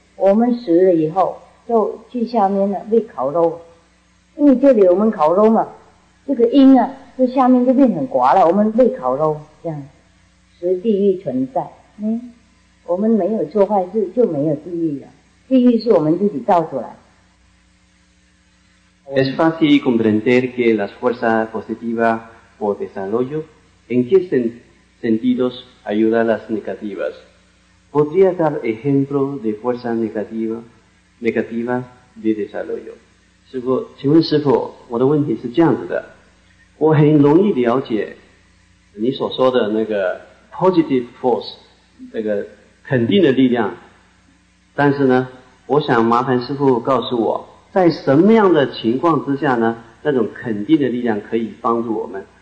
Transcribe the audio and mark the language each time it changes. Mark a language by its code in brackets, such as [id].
[zh] 我们死了以后就去下面了，被烤肉，因为这里我们烤肉嘛，这个阴啊，就下面就变成寡了，我们被烤肉，这样是地狱存在。我们没有做坏事就没有地狱了，地狱是我们自己造出来。 [es] Es fácil comprender que las fuerzas positivas o desarrollo, ¿en qué sentidos ayuda a las negativas? ¿Podría dar ejemplo de fuerzas negativas de desarrollo? [zh] 师父，请问师父，我的问题是这样子的，我很容易了解你所说的那个 [en] positive force, [zh] 这个肯定的力量，但是呢，我想麻烦师父告诉我，在什么样的情况之下呢，那种肯定的力量可以帮助我们？